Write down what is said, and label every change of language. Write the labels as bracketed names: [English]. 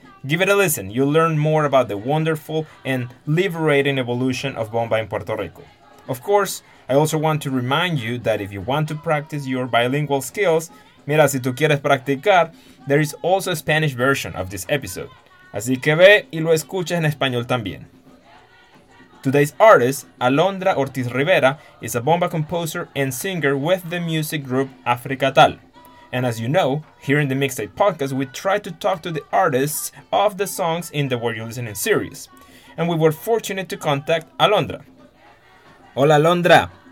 [English] Give it a listen, you'll learn more about the wonderful and liberating evolution of bomba in Puerto Rico. Of course, I also want to remind you that if you want to practice your bilingual skills, [Spanish] mira, si tú quieres practicar, [English] there is also a Spanish version of this episode. [Spanish] Así que ve y lo escuchas en español también. [English] Today's artist, Alondra Ortiz Rivera, is a bomba composer and singer with the music group Africa Tal. And as you know, here in the Mixtape Podcast, we try to talk to the artists of the songs in the Were You Listening series. And we were fortunate to contact Alondra. Hola, Alondra.